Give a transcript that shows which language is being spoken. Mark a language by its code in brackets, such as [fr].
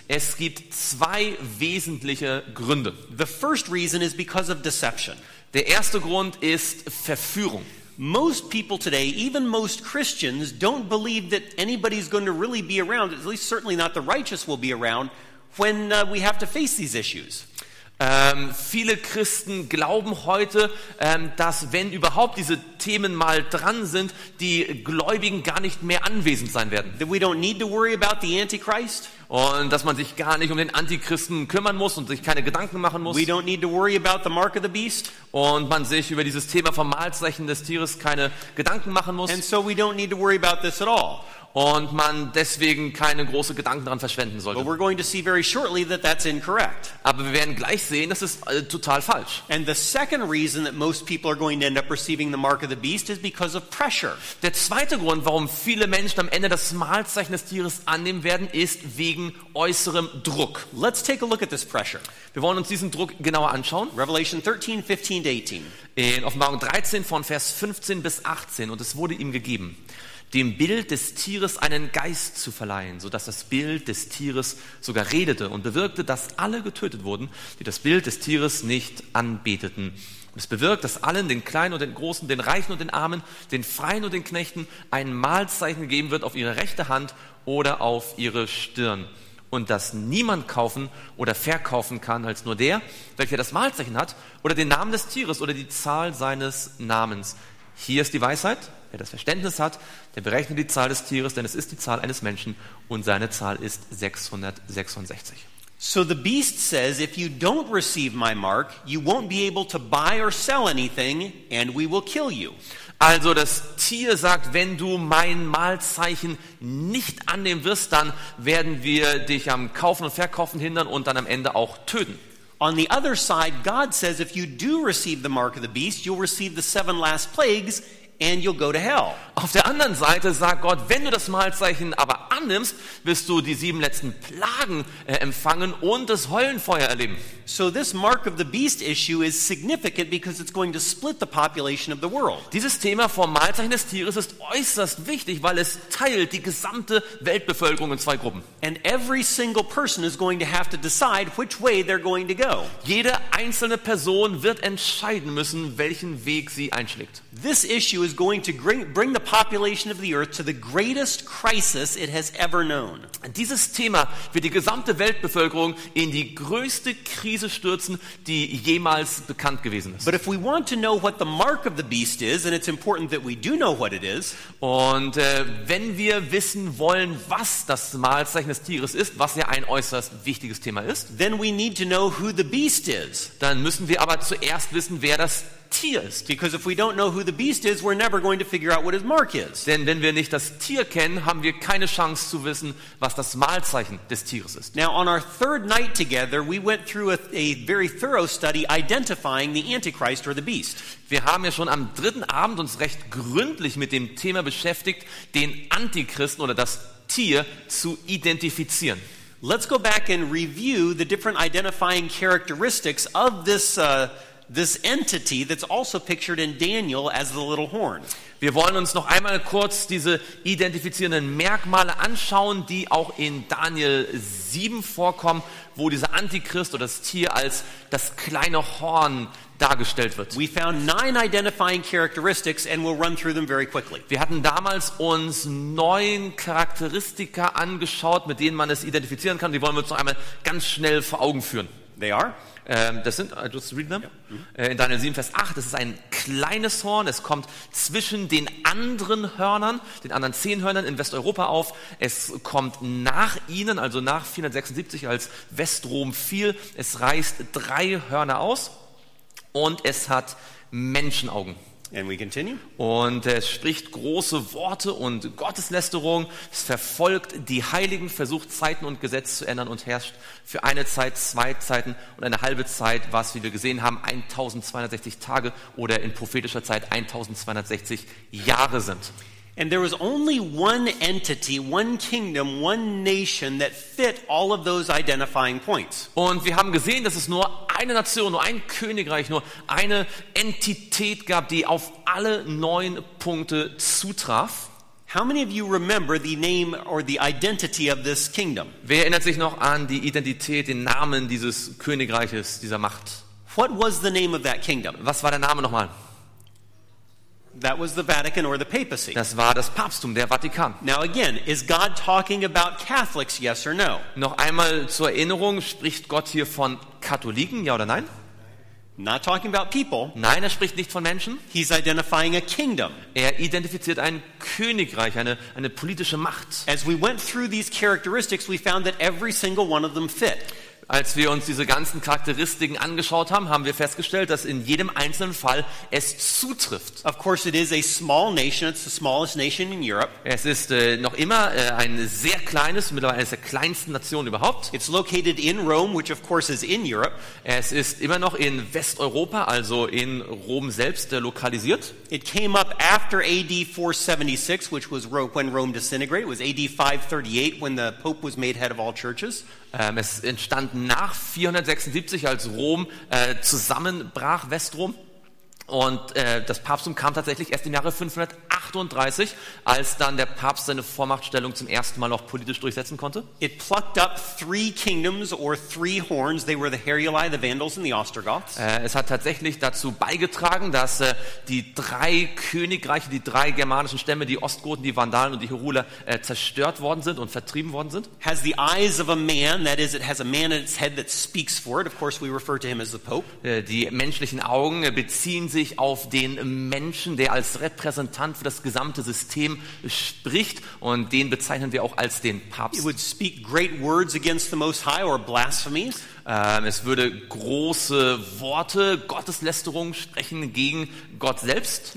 [de] Es gibt zwei wesentliche Gründe. [en] The first reason is because of deception. [de] Der erste Grund ist Verführung. [en] Most people today, even most Christians, don't believe that anybody's going to really be around, at least certainly not the righteous will be around, when we have to face these issues. [de] Viele Christen glauben heute, dass wenn überhaupt diese Themen mal dran sind, die Gläubigen gar nicht mehr anwesend sein werden. [en] That we don't need to worry about the Antichrist. [de] Und dass man sich gar nicht um den Antichristen kümmern muss und sich keine Gedanken machen muss. [en] We don't need to worry about the mark of the beast. [de] Und man sich über dieses Thema vom Malzeichen des Tieres keine Gedanken machen muss. [en] And so we don't need to worry about this at all. [de] Und man deswegen keine große Gedanken daran verschwenden sollte. [en] But we're going to see very shortly that that's incorrect. [de] Aber wir werden gleich sehen, das ist total falsch. [en] And the second reason that most people are going to end up receiving the mark of the beast is because of pressure. [de] Der zweite Grund, warum viele Menschen am Ende das Malzeichen des Tieres annehmen werden, ist wegen äußerem Druck. [en] Let's take a look at this pressure. [de] Wir wollen uns diesen Druck genauer anschauen. [en] Revelation 13, 15 to 18. [de] In Offenbarung 13 von Vers 15 bis 18. Und es wurde ihm gegeben, dem Bild des Tieres einen Geist zu verleihen, so dass das Bild des Tieres sogar redete und bewirkte, dass alle getötet wurden, die das Bild des Tieres nicht anbeteten. Und es bewirkt, dass allen, den Kleinen und den Großen, den Reichen und den Armen, den Freien und den Knechten, ein Malzeichen gegeben wird auf ihre rechte Hand oder auf ihre Stirn. Und dass niemand kaufen oder verkaufen kann, als nur der, welcher das Malzeichen hat, oder den Namen des Tieres oder die Zahl seines Namens. Hier ist die Weisheit. Wer das Verständnis hat, der berechnet die Zahl des Tieres, denn es ist die Zahl eines Menschen und seine Zahl ist 666. [en] So the beast says, if you don't receive my mark, you won't be able to buy or sell anything and we will kill you. [de] Also das Tier sagt, wenn du mein Malzeichen nicht annehmen wirst, dann werden wir dich am Kaufen und Verkaufen hindern und dann am Ende auch töten. [en] On the other side, God says, if you do receive the mark of the beast, you'll receive the 7 last plagues and you'll go to hell. [de] Auf der anderen Seite sagt Gott, wenn du das Malzeichen aber annimmst, wirst du die 7 letzten Plagen empfangen und das Höllenfeuer erleben. [en] So this mark of the beast issue is significant because it's going to split the population of the world. [de] Dieses Thema vom Malzeichen des Tieres ist äußerst wichtig, weil es teilt die gesamte Weltbevölkerung in zwei Gruppen. [en] And every single person is going to have to decide which way they're going to go. [de] Jede einzelne Person wird entscheiden müssen, welchen Weg sie einschlägt. [en] This issue is was going to bring the population of the earth to the greatest crisis it has ever known. [de] Dieses Thema wird die gesamte Weltbevölkerung in die größte Krise stürzen, die jemals bekannt gewesen ist. [en] But if we want to know what the mark of the beast is, and it's important that we do know what it is, [de] und wenn wir wissen wollen, was das Malzeichen des Tieres ist, was ja ein äußerst wichtiges Thema ist, [en] then we need to know who the beast is. [de] Dann müssen wir aber zuerst wissen, wer das Tier ist. [en] Because if we don't know who the beast is, we're never going to figure out what his mark is. [de] Denn wenn wir nicht das Tier kennen, haben wir keine Chance zu wissen, was das Malzeichen des Tieres ist. [en] Now on our third night together, we went through a very thorough study identifying the Antichrist or the beast. [de] Wir haben ja schon am dritten Abend uns recht gründlich mit dem Thema beschäftigt, den Antichristen oder das Tier zu identifizieren. [en] Let's go back and review the different identifying characteristics of this this entity that's also pictured in Daniel as the little horn. [de] Wir wollen uns noch einmal kurz diese identifizierenden Merkmale anschauen, die auch in Daniel 7 vorkommen, wo dieser Antichrist oder das Tier als das kleine Horn dargestellt wird. [en] We found 9 identifying characteristics and we'll run through them very quickly. [de] Wir hatten damals uns 9 Charakteristika angeschaut, mit denen man es identifizieren kann. Die wollen wir uns noch einmal ganz schnell vor Augen führen. [en] They are. [de] Das sind, [en] I just read them. [de] In Daniel 7, Vers 8, das ist ein kleines Horn. Es kommt zwischen den anderen Hörnern, den anderen 10 Hörnern in Westeuropa auf. Es kommt nach ihnen, also nach 476, als Westrom fiel. Es reißt 3 Hörner aus und es hat Menschenaugen. [en] And we continue. [de] Und es spricht große Worte und Gotteslästerung. Es verfolgt die Heiligen, versucht Zeiten und Gesetze zu ändern und herrscht für eine Zeit, 2 Zeiten und eine halbe Zeit, was, wie wir gesehen haben, 1260 Tage oder in prophetischer Zeit 1260 Jahre sind. [en] And there was only one entity, one kingdom, one nation that fit all of those identifying points. [de] Und wir haben gesehen, dass es nur eine Nation, nur ein Königreich, nur eine Entität gab, die auf alle 9 Punkte zutraf. [en] How many of you remember the name or the identity of this kingdom? [de] Wer erinnert sich noch an die Identität, den Namen dieses Königreiches, dieser Macht? [en] What was the name of that kingdom? [de] Was war der Name nochmal? [en] That was the Vatican or the papacy. [de] Das war das Papsttum, der Vatikan. [en] Now again, is God talking about Catholics, yes or no? [de] Noch einmal zur Erinnerung, spricht Gott hier von Katholiken, ja oder nein? [en] Not talking about people. [de] Nein, er spricht nicht von Menschen. [en] He's identifying a kingdom. [de] Er identifiziert ein Königreich, eine politische Macht. [en] As we went through these characteristics, we found that every single one of them fit. [de] Als wir uns diese ganzen Charakteristiken angeschaut haben, haben wir festgestellt, dass in jedem einzelnen Fall es zutrifft. [en] Of course it is a small nation, it's the smallest nation in Europe. [de] Es ist noch immer ein sehr kleines, mittlerweile eines der kleinsten Nationen überhaupt. [en] It's located in Rome, which of course is in Europe. [de] Es ist immer noch in Westeuropa, also in Rom selbst lokalisiert. [en] It came up after AD 476, which was when Rome disintegrated. It was AD 538 when the Pope was made head of all churches. [de] Es entstand nach 476, als Rom zusammenbrach, Westrom. Und das Papsttum kam tatsächlich erst im Jahre 538, als dann der Papst seine Vormachtstellung zum ersten Mal auch politisch durchsetzen konnte. [en] It plucked up 3 kingdoms or 3 horns. They were the Heruli, the Vandals and the Ostrogoths. [de] Es hat tatsächlich dazu beigetragen, dass die 3 Königreiche, die 3 germanischen Stämme, die Ostgoten, die Vandalen und die Heruler zerstört worden sind und vertrieben worden sind. [en] Has the eyes of a man, that is, it has a man in its head that speaks for it. Of course, we refer to him as the Pope. [de] Die menschlichen Augen beziehen sich auf den Menschen, der als Repräsentant für das gesamte System spricht, und den bezeichnen wir auch als den Papst. [en] He would speak great words against the Most High or blasphemies. [de] Es würde große Worte, Gotteslästerung sprechen gegen Gott selbst.